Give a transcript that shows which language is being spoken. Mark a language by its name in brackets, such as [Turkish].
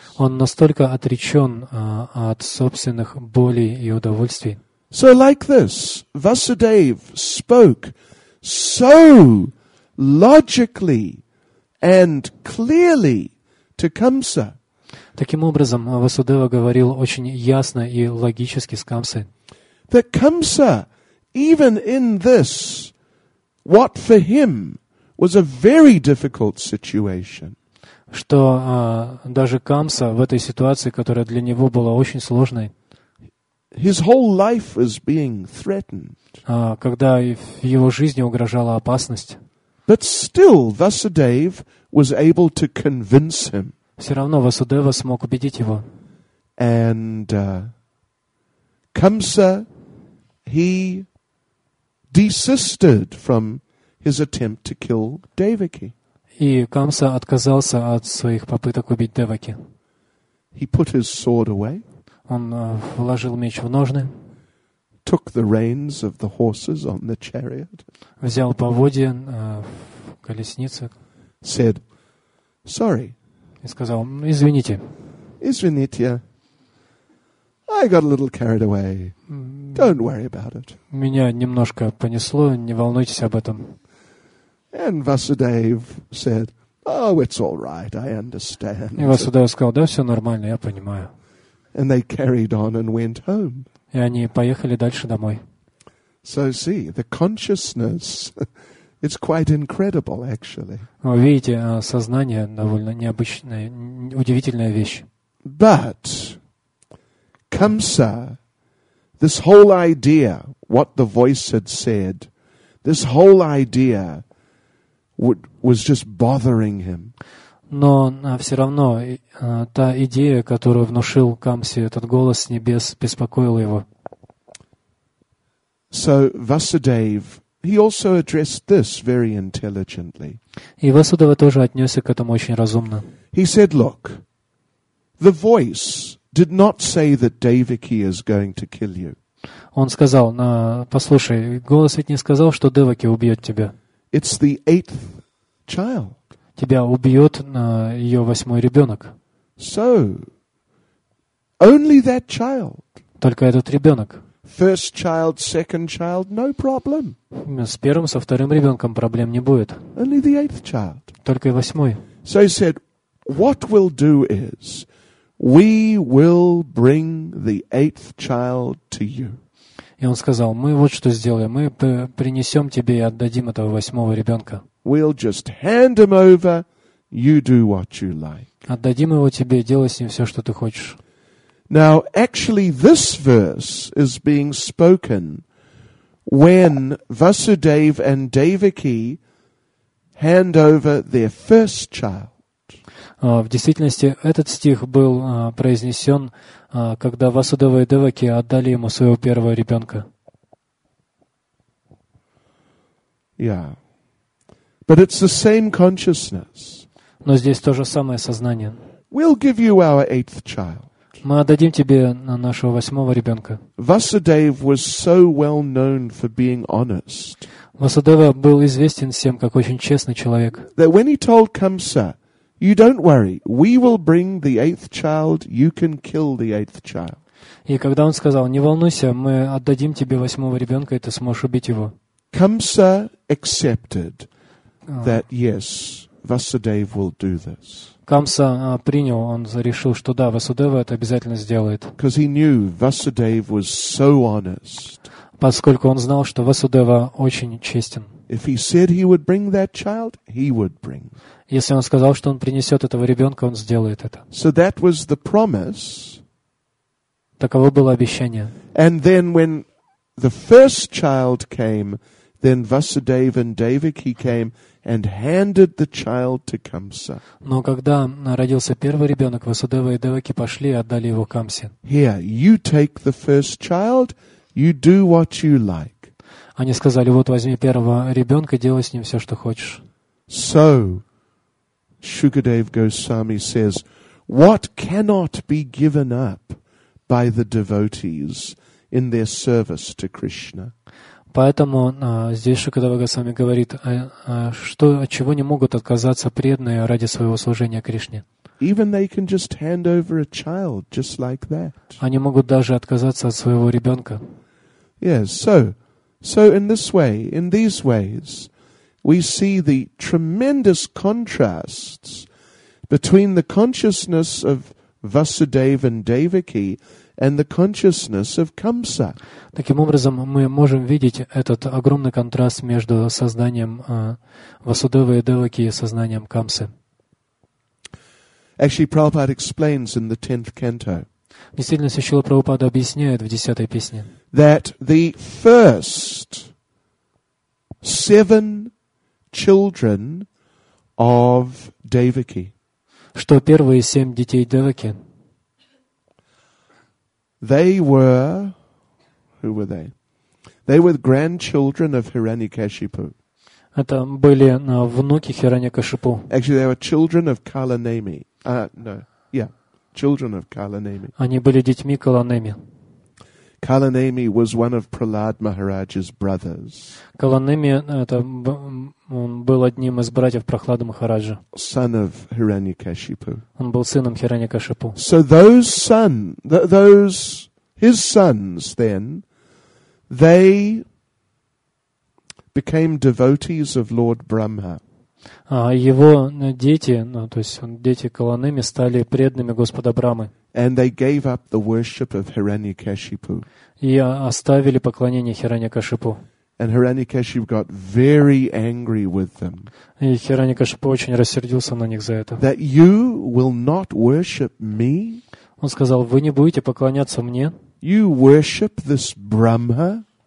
[Russian] Он настолько отречен от собственных болей и удовольствий. [English] So like this, Vasudev spoke so logically and clearly to Камса. [Russian] Таким образом, Васудева говорил очень ясно и логически с Камсой. [English] That Камса, even in this, what for him was a very difficult situation. [Russian] Что даже Камса в этой ситуации, которая для него была очень сложной, [English] his whole life was being threatened. [Russian] Когда его жизни угрожала опасность. [English] But still, Vasudev was able to convince him. [Russian] Все равно Васудева смог убедить его. [English] And Камса, he desisted from his attempt to kill Devaki. [Russian] И Камса отказался от своих попыток убить Деваки. [English] He put his sword away. [Russian] Он вложил меч в ножны. [English] took the reins of the horses on the chariot. [Russian] Взял поводья в колеснице. [English] Said, sorry. [Russian] И сказал, извините. Извините. [English] I got a little carried away. Don't worry about it. [Russian] Меня немножко понесло, не волнуйтесь об этом. [English] And Vasudev said, oh, it's all right, I understand. [Russian] И Васудев сказал, да, все нормально, я понимаю. [English] And they carried on and went home. [Russian] И они поехали дальше домой. [English] So see, the consciousness, it's quite incredible, actually. [Russian] Вы видите, сознание довольно необычная, удивительная вещь. [English] But Kamsa, this whole idea, what the voice had said, this whole idea was just bothering him. [Russian] Но все равно та идея, которую внушил Камсе этот голос с небес, беспокоила его. [English] So Vasudev, he also addressed this very intelligently. [Russian] И Васудева тоже отнесся к этому очень разумно. [English] He said, look, the voice did not say that Devaki is going to kill you. [Russian] Он сказал, послушай, голос ведь не сказал, что Деваки убьет тебя. [English] It's the eighth child. [Russian] Тебя убьет ее восьмой ребенок. [English] So, only that child. [Russian] Только этот ребенок. [English] First child, second child, no problem. [Russian] С первым, со вторым ребенком проблем не будет. [English] Only the eighth child. [Russian] Только восьмой. [English] So he said, what we'll do is, we will bring the eighth child to you. [Russian] И он сказал, мы вот что сделаем, мы принесем тебе и отдадим этого восьмого ребенка. [English] We'll just hand him over, you do what you like. [Russian] Отдадим его тебе, делай с ним все, что ты хочешь. [English] Now, actually, this verse is being spoken when Vasudev and Devaki hand over their first child. [Russian] В действительности, этот стих был произнесен, когда Васудева и Деваки отдали ему своего первого ребенка. [English] Yeah. But it's the same consciousness. [Russian] Но здесь то же самое сознание. [English] We'll give you our eighth child. [Russian] Мы отдадим тебе нашего восьмого ребенка. [English] Vasudev was so well known for being honest. [Russian] Васудева был известен всем как очень честный человек. [English] That when he told Kamsa, you don't worry, we will bring the eighth child, you can kill the eighth child. [Russian] И когда он сказал, не волнуйся, мы отдадим тебе восьмого ребенка, и ты сможешь убить его. [English] Kamsa accepted that, yes, Vasudev will do this. [Russian] Камса принял, он решил, что да, Васудева это обязательно сделает. [English] Because he knew Vasudev was so honest. [Russian] Поскольку он знал, что Васудева очень честен. [English] If he said he would bring that child, he would bring. [Russian] Если он сказал, что он принесет этого ребенка, он сделает это. [English] So that was the promise. [Russian] Таково было обещание. [English] And then when the first child came, then Vasudev and Devaki came and handed the child to Kamsa. [Russian] Но когда родился первый ребенок, Васудева и Деваки пошли и отдали его Камсе. [English] Here, you take the first child, you do what you like. [Russian] Они сказали, вот возьми первого ребенка, делай с ним все, что хочешь. [English] So, Shukadev Goswami says, what cannot be given up by the devotees in their service to Krishna? [Russian] Поэтому здесь Шукадева Госвами говорит, что, от чего не могут отказаться преданные ради своего служения Кришне? [English] Even they can just hand over a child, just like that. [Russian] Они могут даже отказаться от своего ребенка. [English] Yes, so, so in this way, in these ways, we see the tremendous contrasts between the consciousness of Vasudev and Devaki and the consciousness of Kamsa. [Russian] Таким образом, мы можем видеть этот огромный контраст между сознанием Васудевы и Деваки и сознанием Камсы. [English] Actually, Prabhupada explains in the 10th canto. [Russian] В действительности, Шрила Прабхупада объясняет в 10-й песне. [English] That the first seven children of Devaki. [Russian] Что первые семь детей Деваки. [English] They were, who were they? They were grandchildren of Hiranyakashipu. [Russian] Это были внуки Хираньякашипу. [English] Actually, they were children of Kalanemi. Children of Kalanemi. [Russian] Они были детьми Каланеми. [English] Kalanemi was one of Prahlad Maharaj's brothers. [Russian] Kalanemi это он был одним из братьев Прохлады Махараджа. [English] Son of Hiranyakashipu. [Russian] Он был сыном Хираньякашипу. [English] So those his sons then, they became devotees of Lord Brahma. [Russian] Его дети, ну, то есть дети Каланеми, стали преданными Господа Брамы. [English] And they gave up the worship of Hiranyakashipu. [Russian] И оставили поклонение Хираньякашипу. [English] And Hiranyakashipu got very angry with them. [Russian] И Хираньякашипу очень рассердился на них за это. [English] That you will not worship me. [Russian] Он сказал: вы не будете поклоняться мне. [English] You worship this Brahma.